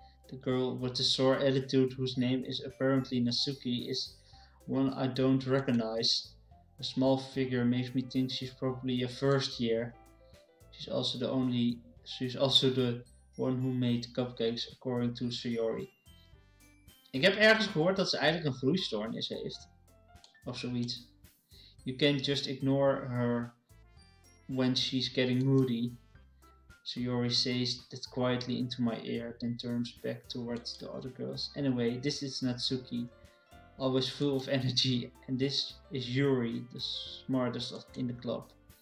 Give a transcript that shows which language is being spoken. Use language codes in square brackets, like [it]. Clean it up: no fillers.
[en] The girl with the sore attitude, whose name is apparently Natsuki, is one I don't recognize. A small figure makes me think she's probably a first year. She's also the one who made cupcakes, according to Sayori. [nl] Ik heb ergens gehoord dat ze eigenlijk een groeistoornis heeft. Of zoiets. [en] You can't just ignore her when she's getting moody. Sayori says that quietly into my ear, then turns back towards the other girls. Anyway, this is Natsuki, always full of energy, and this is Yuri, the smartest in the club.